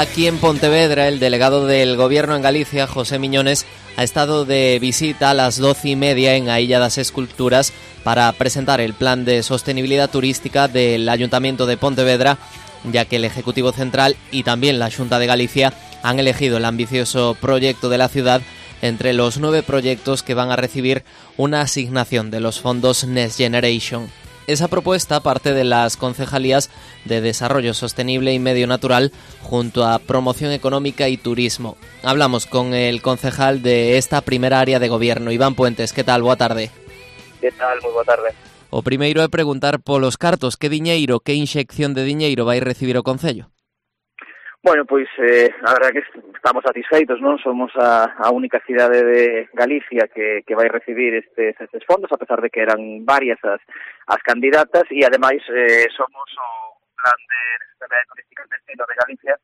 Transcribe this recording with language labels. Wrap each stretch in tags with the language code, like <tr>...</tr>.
<es>Aquí en Pontevedra, el delegado del Gobierno en Galicia, José Miñones, ha estado de visita a las 12:30 en Aílla das Esculturas para presentar el plan de sostenibilidad turística del Ayuntamiento de Pontevedra, ya que el Ejecutivo Central y también la Xunta de Galicia han elegido el ambicioso proyecto de la ciudad entre los 9 proyectos que van a recibir una asignación de los fondos Next Generation. Esa propuesta parte de las concejalías de Desarrollo Sostenible y Medio Natural junto a Promoción Económica y Turismo. Hablamos con el concejal de esta primera área de gobierno, Iván Puentes. ¿Qué tal?</es> <gl>Boa tarde.</gl> <es>¿Qué tal? Muy</es> <gl>boa tarde. O primeiro é preguntar polos cartos. ¿Qué diñeiro, qué inxección de diñeiro vai recibir o concello? Bueno, pois a verdad que estamos satisfeitos, non? Somos a única cidade de Galicia que vai recibir estes fondos, a pesar de que eran varias as candidatas, e ademais somos o plan de sostenibilidade turística del destino de Galicia.</gl>